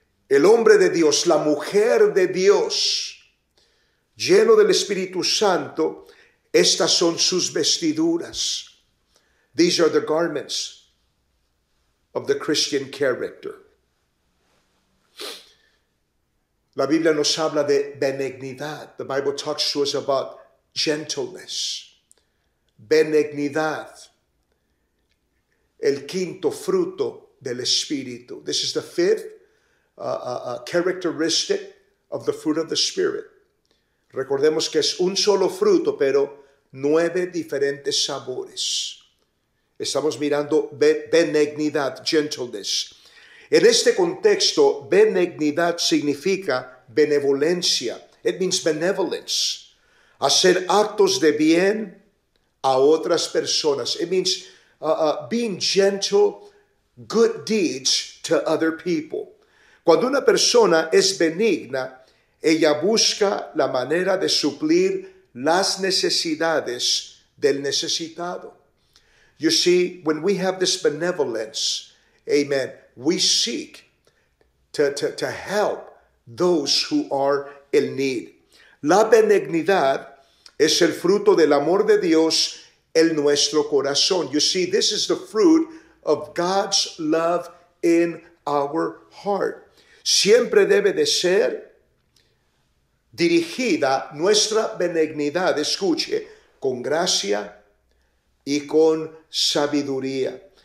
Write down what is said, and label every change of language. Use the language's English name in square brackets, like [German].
[Spanish] El hombre de Dios, la mujer de Dios, lleno del Espíritu Santo, Estas son sus vestiduras. [English] These are the garments of the Christian character. [Spanish] La Biblia nos habla de benignidad. [English] The Bible talks to us about gentleness. [Spanish] Benignidad. El quinto fruto del Espíritu. [English] This is the fifth characteristic of the fruit of the Spirit. [Spanish] Recordemos que es un solo fruto, pero 9 diferentes sabores. Estamos mirando benignidad, gentleness. En este contexto, benignidad significa benevolencia. [English] It means benevolence. [Spanish] Hacer actos de bien a otras personas. [English] It means being gentle, good deeds to other people. [Spanish] Cuando una persona es benigna, ella busca la manera de suplir las necesidades del necesitado. [English] You see, when we have this benevolence, amen, we seek to help those who are in need. [Spanish] La benignidad es el fruto del amor de Dios en nuestro corazón. [English] You see, this is the fruit of God's love in our heart. [Spanish] Siempre debe de ser dirigida nuestra benignidad, escuche, con gracia y con sabiduría.